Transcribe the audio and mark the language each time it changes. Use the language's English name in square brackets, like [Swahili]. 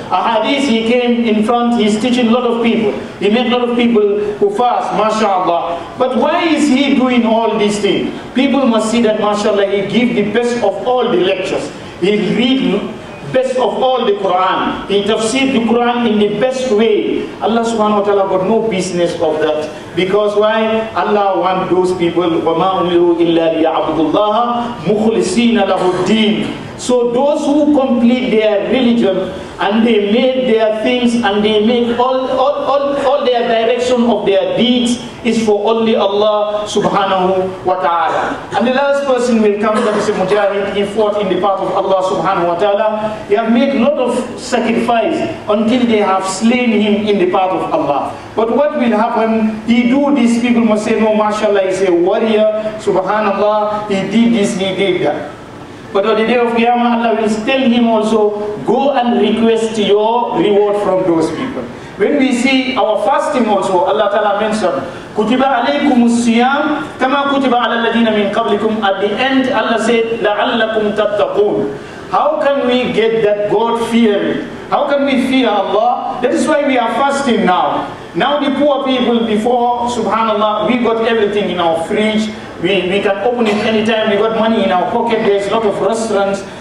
[English] A hadith, he came in front, he's teaching a lot of people. He met a lot of people who fast, mashallah. But why is he doing all these things? People must see that, mashallah, he give the best of all the lectures. He read best of all the Quran. He tafsir the Quran in the best way. Allah subhanahu wa ta'ala got no business of that. Because why? Allah want those people, [Arabic] وَمَا أُمِرُوا إِلَّا لِيَعْبُدُ اللَّهَ مُخْلِصِينَ لَهُ الدِّينِ. [English] So those who complete their religion and they make their things and they make all their direction of their deeds is for only Allah subhanahu wa ta'ala. And the last person will come, that is a mujahid. He fought in the path of Allah subhanahu wa ta'ala. He have made a lot of sacrifice until they have slain him in the path of Allah. But what will happen? He do this, people must say, no, mashallah, he's a warrior, subhanallah, he did this, he did that. But on the day of Qiyamah, Allah will tell him also, go and request your reward from those people. When we see our fasting also, Allah Ta'ala mentioned, [Arabic] كتب عليكم الصيام كما كتب على الذين من قبلكم. [English] At the end Allah said [Arabic] لعلكم تتقون. [English] How can we get that God fearing? How can we fear Allah? That is why we are fasting now. Now the poor people before, subhanAllah, we got everything in our fridge. We can open it anytime. We got money in our pocket. There's a lot of restaurants.